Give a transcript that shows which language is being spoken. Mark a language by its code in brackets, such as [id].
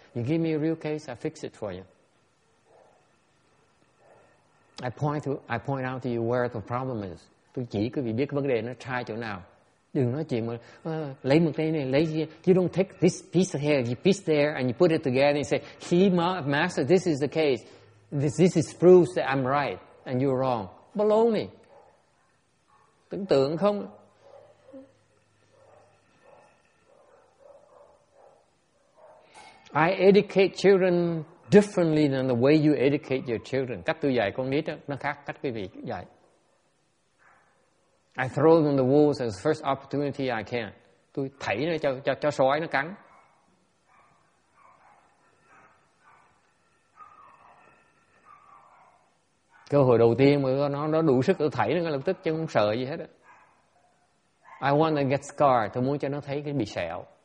[en] You give me a real case, I fix it for you. I point out to you where the problem is. [vi] Tôi chỉ quý vị biết cái vấn đề nó sai chỗ nào. Đừng nói chuyện mà lấy một cái này, lấy kia. [en] You don't take this piece here, you piece there, and you put it together and say, he, master, this is the case. This is proof that I'm right, and you're wrong. Baloney. [vi] Tưởng tượng không? [en] I educate children differently than the way you educate your children. [vi] Cách tôi dạy con nít đó, nó khác cách quý vị dạy. [en] I throw them the wolves as the first opportunity I can. [vi] Tôi thảy nó cho sói nó cắn. Cơ hội đầu tiên mà nó đủ sức tôi thảy nó ngay lập tức chứ không sợ gì hết. [en] I want to get scarred. [vi] Tôi muốn cho nó thấy cái bị sẹo.